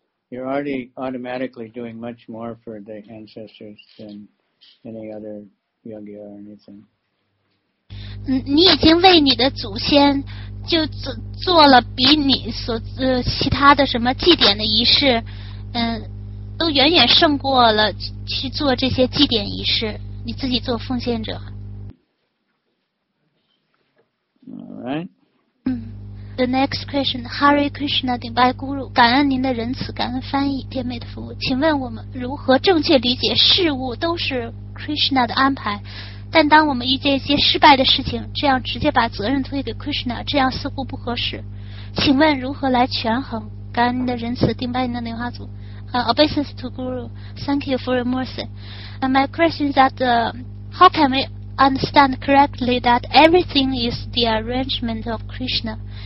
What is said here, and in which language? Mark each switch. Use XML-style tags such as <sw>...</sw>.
<en>You're already automatically doing much more for the ancestors than any other yogi or anything.</en> <zh>你已经为你的祖先就做了比你所其他的什么祭典的仪式，都远远胜过了去做这些祭典仪式。你自己做奉献者。</zh> <en>Alright. The next question, Hare Krishna, Divine Guru,</en> <zh>感恩您的仁慈，感恩翻译，天美的服务。请问我们如何正确理解事物都是 Krishna 的安排？但当我们遇见一些失败的事情，这样直接把责任推给 Krishna， 这样似乎不合适。请问如何来权衡？感恩您的仁慈，顶拜您的莲花组。</zh> <en>Obeisance to Guru, thank you for your mercy. My question is that how can we understand correctly that everything is the arrangement of Krishna?</en>